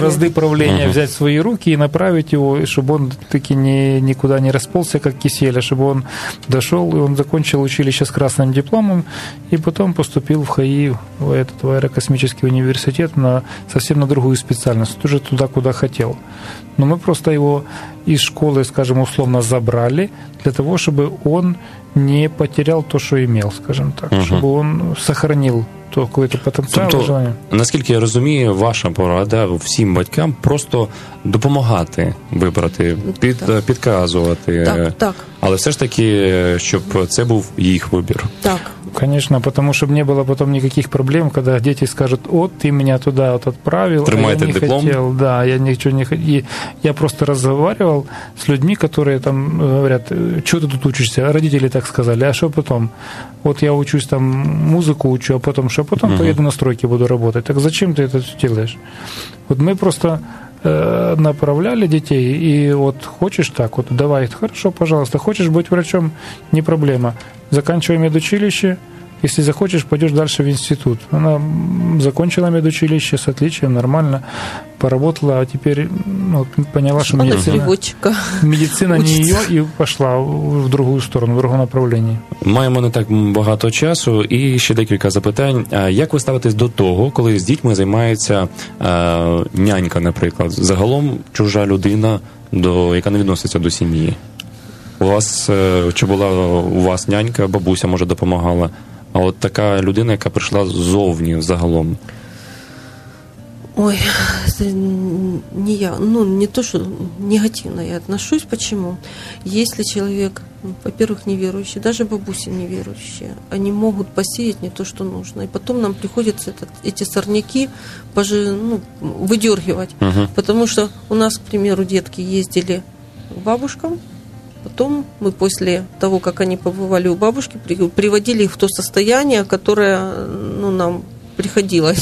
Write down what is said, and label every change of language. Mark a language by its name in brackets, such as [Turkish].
[Russian] Бразды правления взять в свои руки и направить его, чтобы он таки никуда не расползся, как кисель, а чтобы он дошел, и он закончил училище с красным дипломом, и потом поступил в ХАИ, в аэрокосмический университет, совсем на другую специальность, уже туда, куда хотел. Но мы просто его из школы, скажем, условно забрали, для того, чтобы он не потерял то, что имел, скажем так, чтобы он сохранил то какой-то потенциал. [Ukrainian] Тобто, наскільки я розумію, ваша порада всім батькам просто допомагати вибрати, підказувати. Так. Але все ж таки, щоб це був їх вибір. Так. [Russian] Конечно, потому что не было потом никаких проблем, когда дети скажут, вот ты меня туда вот отправил, тримайте а я не диплом. Хотел, да, я ничего не хотел. Я просто разговаривал с людьми, которые там говорят, что ты тут учишься, а родители так сказали, а что потом? Вот я учусь там, музыку учу, а потом что? Потом поеду на стройке буду работать. Так зачем ты это делаешь? Вот мы просто направляли детей, и вот хочешь так, вот давай, хорошо, пожалуйста, хочешь быть врачом, не проблема. Заканчивай медучилище, если захочешь, пойдешь дальше в институт. Она закончила медучилище с отличием, нормально, поработала, а теперь вот, поняла, что медицина не ее, и пошла в другую сторону, в другое направление. [Ukrainian] Маємо не так багато часу, і ще декілька запитань. Як ви ставитесь до того, коли з дітьми займається нянька, наприклад, загалом чужа людина, яка не відноситься до сім'ї? У вас, чи була у вас нянька, бабуся, може, допомагала? А от така людина, яка прийшла ззовні загалом? Ой, це не я. Ну, не то, що негативно я відношусь. Чому? Якщо людина [Russian] во-первых, неверующие, даже бабуси неверующие, они могут посеять не то, что нужно. И потом нам приходится эти сорняки выдергивать. Угу. Потому что у нас, к примеру, детки ездили к бабушкам, потом мы после того, как они побывали у бабушки, приводили их в то состояние, которое нам приходилось.